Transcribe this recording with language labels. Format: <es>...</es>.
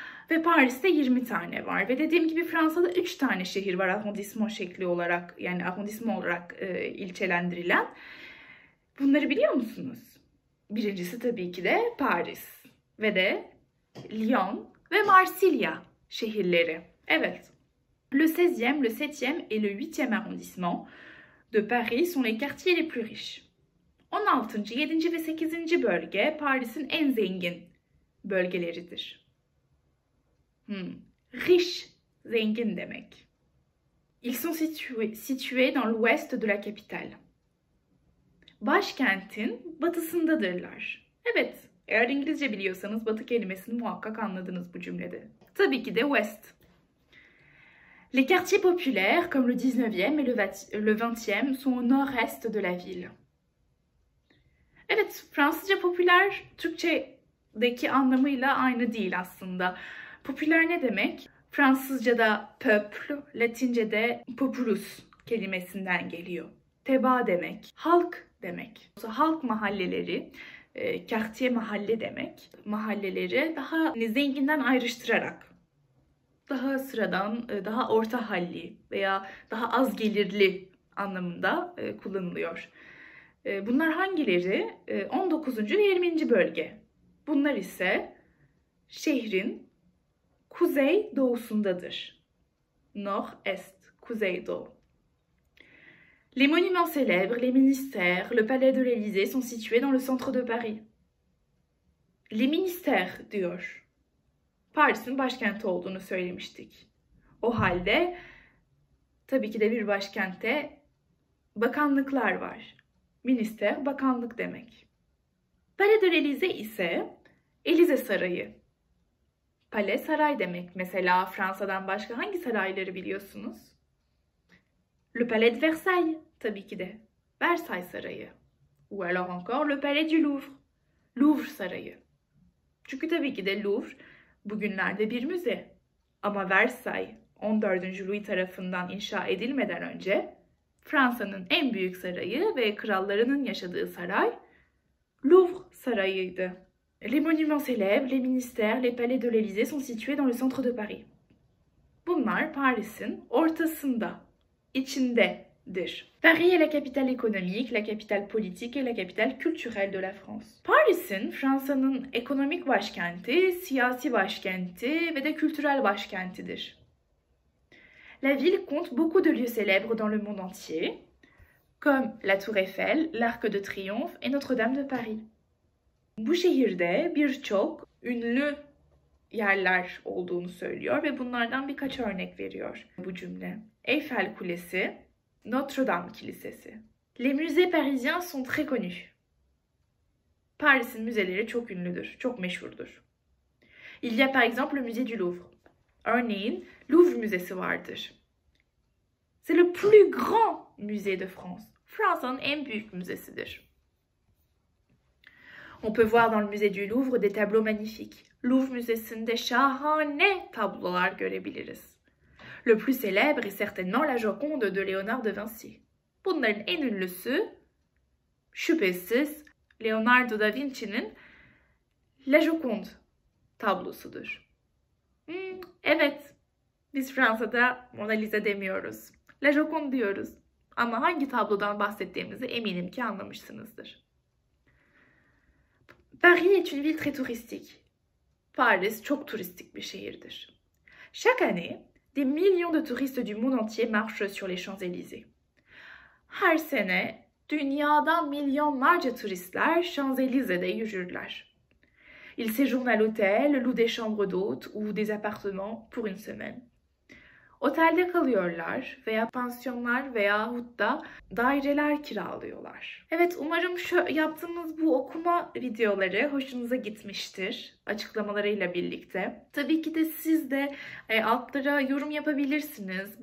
<tr>Ve Paris'te 20 tane var. Ve dediğim gibi Fransa'da 3 tane şehir var arrondissement şekli olarak, yani arrondissement olarak ilçelendirilen. Bunları biliyor musunuz? Birincisi tabii ki de Paris ve de Lyon ve Marsilya şehirleri. Evet.</tr> <fr>Le 16e, le 7e et le 8e arrondissement de Paris sont les quartiers les plus riches.</fr> <tr>16., 7. ve 8. bölge Paris'in en zengin bölgeleridir. Riche, zengin demek.</tr> <fr>Ils sont situés dans l'ouest de la capitale.</fr> <tr>Başkentin batısındadırlar. Evet, eğer İngilizce biliyorsanız batı kelimesini muhakkak anladınız bu cümlede. Tabii ki de West.</tr> <fr>Les quartiers populaires, comme le 19e et le 20e, sont au nord-est de la ville.</fr> <tr>Evet, Fransızca popüler, Türkçedeki anlamıyla aynı değil aslında. Popüler ne demek? Fransızca'da peuple, Latince'de populus kelimesinden geliyor. Teba demek, halk demek. Halk mahalleleri, quartier mahalle demek. Mahalleleri daha zenginden ayrıştırarak, daha sıradan, daha orta halli veya daha az gelirli anlamında kullanılıyor. Bunlar hangileri? 19. ve 20. bölge. Bunlar ise şehrin kuzey doğusundadır. Nord-est, kuzey doğu.</tr> <fr>Les monuments célèbres, les ministères, le palais de l'Élysée sont situés dans le centre de Paris. Les ministères,</fr> <tr>diyor. Paris'in başkenti olduğunu söylemiştik. O halde tabii ki de bir başkente bakanlıklar var. Minister, bakanlık demek. Palais de l'Élysée ise Elize Sarayı. Palais, saray demek. Mesela Fransa'dan başka hangi sarayları biliyorsunuz? Le Palais de Versailles, tabii ki de. Versailles Sarayı.</tr> <fr>Ou alors encore le Palais du Louvre.</fr> <tr>Louvre Sarayı. Çünkü tabii ki de Louvre bugünlerde bir müze. Ama Versailles 14. Louis tarafından inşa edilmeden önce Fransa'nın en büyük sarayı ve krallarının yaşadığı saray Louvre sarayıydı.</tr> <fr>Les monuments célèbres, les ministères, les palais de l'Élysée sont situés dans le centre de Paris.</fr> <tr>Bunlar Paris'in ortasında, içindedir.</tr> <fr>Paris est la capitale économique, la capitale politique et la capitale culturelle de la France.</fr> <tr>Paris'in, Fransa'nın ekonomik başkenti, siyasi başkenti ve de kültürel başkentidir.</tr> <fr>La ville compte beaucoup de lieux célèbres dans le monde entier, comme la Tour Eiffel, l'Arc de Triomphe et Notre-Dame de Paris.</fr> <tr>Bu şehirde birçok ünlü yerler olduğunu söylüyor ve bunlardan birkaç örnek veriyor bu cümle. Eiffel Kulesi, Notre-Dame Kilisesi.</tr> <fr>Les musées parisiens sont très connus.</fr> <tr>Paris'in müzeleri çok ünlüdür, çok meşhurdur.</tr> <fr>Il y a par exemple le musée du Louvre.</fr> <tr>Örneğin Louvre Müzesi vardır.</tr> <fr>C'est le plus grand musée de France.</fr> <tr>Fransa'nın en büyük müzesidir.</tr> <fr>On peut voir dans le musée du Louvre des tableaux magnifiques.</fr> <tr>Louvre Müzesi'nde şahane tablolar görebiliriz.</tr> <fr>Le plus célèbre est certainement la Joconde de Léonard de Vinci.</fr> <tr>Bunların en ünlüsü şüphesiz Leonardo da Vinci'nin La Joconde tablosudur. Evet, biz Fransa'da Mona Lisa demiyoruz. La Joconde diyoruz. Ama hangi tablodan bahsettiğimizi eminim ki anlamışsınızdır.</tr> <fr>Paris est une ville très touristique.</fr> <tr>Paris çok turistik bir şehirdir.</tr> <fr>Chaque année, des millions de touristes du monde entier marchent sur les Champs-Élysées.</fr> <tr>Her sene dünyadan milyonlarca turistler Champs-Élysées'de yürürler.</tr> <fr>Ils séjournent à l'hôtel, louent des chambres d'hôtes ou des appartements pour une semaine.</fr> <tr>Otelde kalıyorlar veya pansiyonlar veyahut da daireler kiralıyorlar. Evet, umarım şu yaptığımız bu okuma videoları hoşunuza gitmiştir açıklamalarıyla birlikte. Tabii ki de siz de altlara yorum yapabilirsiniz.</tr>